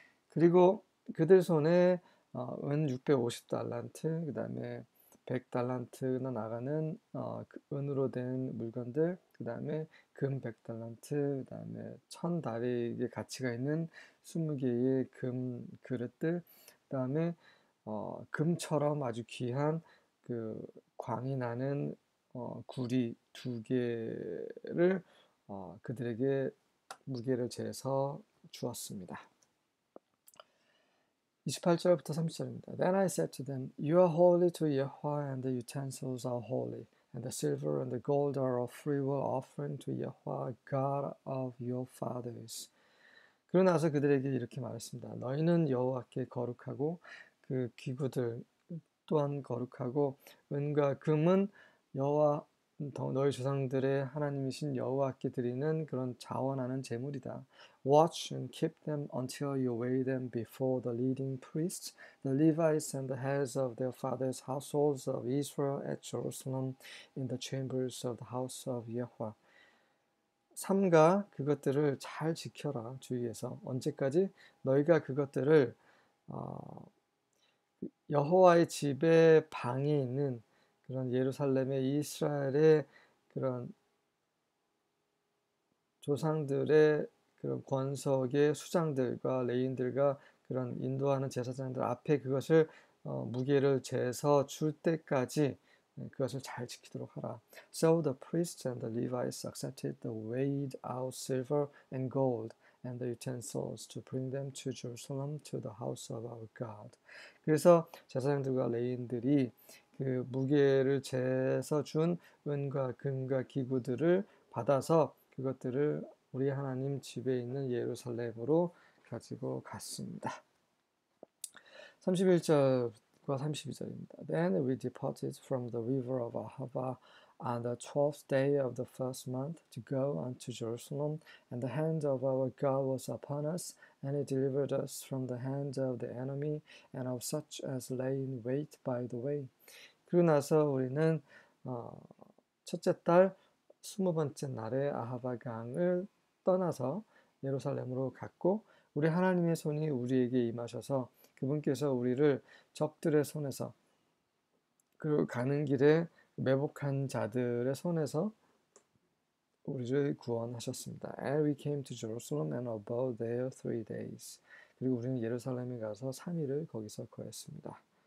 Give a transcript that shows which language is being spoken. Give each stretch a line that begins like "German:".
Korean: 그리고 그들 손에 은650달란트, 그 다음에 100달란트나 나가는 은으로 된 물건들, 그 다음에 금 100달란트, 그 다음에 1,000 다릭의 가치가 있는 20개의 금 그릇들, 그 다음에 금처럼 아주 귀한 그 광이 나는 구리 2개를 그들에게 무게를 재서 주었습니다. 28절부터 30절입니다.
English: Then I said to them, You are holy to Yahweh, and the utensils are holy. And the silver and the gold are a freewill offering to Yahweh, God of your fathers.
Korean: 그러고 나서 그들에게 이렇게 말했습니다. 너희는 여호와께 거룩하고 그 기구들 또한 거룩하고 은과 금은 여호와 너희 조상들의 하나님이신 여호와께 드리는 그런 자원하는 재물이다.
English: Watch and keep them until you weigh them before the leading priests, the Levites, and the heads of their fathers' households of Israel at Jerusalem in the chambers of the house of Yahweh.
Korean: 삼가 그것들을 잘 지켜라 주위에서 언제까지 너희가 그것들을 여호와의 집에 방에 있는 그런 예루살렘의 이스라엘의 그런 조상들의 그런 권속의 수장들과 레인들과 그런 인도하는 제사장들 앞에 그것을 무게를 재서 줄 때까지 그것을 잘 지키도록 하라.
English: So the priests and the Levites accepted the weighed out silver and gold and the utensils to bring them to Jerusalem to the house of our God.
Korean: 그래서 제사장들과 레인들이 그 무게를 재서 준 은과 금과 기구들을 받아서 그것들을 우리 하나님 집에 있는 예루살렘으로 가지고 갔습니다. 31절과 32절입니다.
English: Then we departed from the river of Ahava on the 12th day of the first month to go unto Jerusalem, and the hand of our God was upon us, and he delivered us from the hand of the enemy and of such as lay in wait by the way.
Korean: 그리고 나서 우리는 첫째 달 20번째 날에 아하바 강을 떠나서 예루살렘으로 갔고 우리 하나님의 손이 우리에게 임하셔서 그분께서 우리를 적들의 손에서 그리고 가는 길에 매복한 자들의 손에서 우리를 구원하셨습니다.
English: And we came to Jerusalem and abode there 3 days.
Korean: 그리고 우리는 예루살렘에 가서 3일을 거기서 거했습니다.